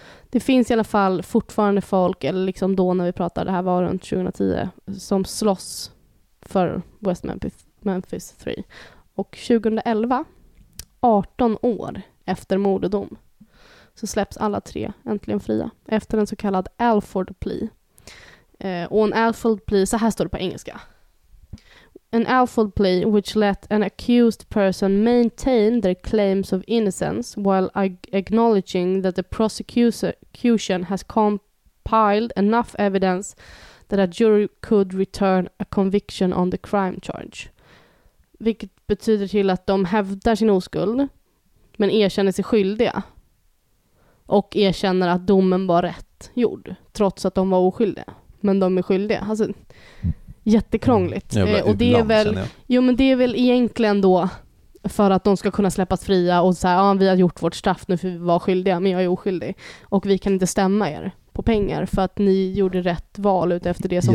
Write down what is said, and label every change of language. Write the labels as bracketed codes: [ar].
[sv] Det finns i alla fall fortfarande folk, eller liksom då när vi pratade, det här var runt 2010, som slåss för West Memphis 3. Och 2011, 18 år efter mordedom, så släpps alla tre äntligen fria. Efter en så kallad Alford plea. Och en Alford plea, så här står det på engelska. [en] An Alford plea which let an accused person maintain their claims of innocence while acknowledging that the prosecution has compiled enough evidence that a jury could return a conviction on the crime charge. [sv] Vilket betyder till att de hävdar sin oskuld men erkänner sig skyldiga. och erkänner att domen var rätt gjord trots att de var oskyldiga, men de är skyldiga. Alltså, jättekrångligt. Mm. Och det är väl, jo, men det är väl egentligen då för att de ska kunna släppas fria och så här, ja, vi har gjort vårt straff nu för vi var skyldiga, men jag är oskyldig och vi kan inte stämma er på pengar för att ni gjorde rätt val ut efter det som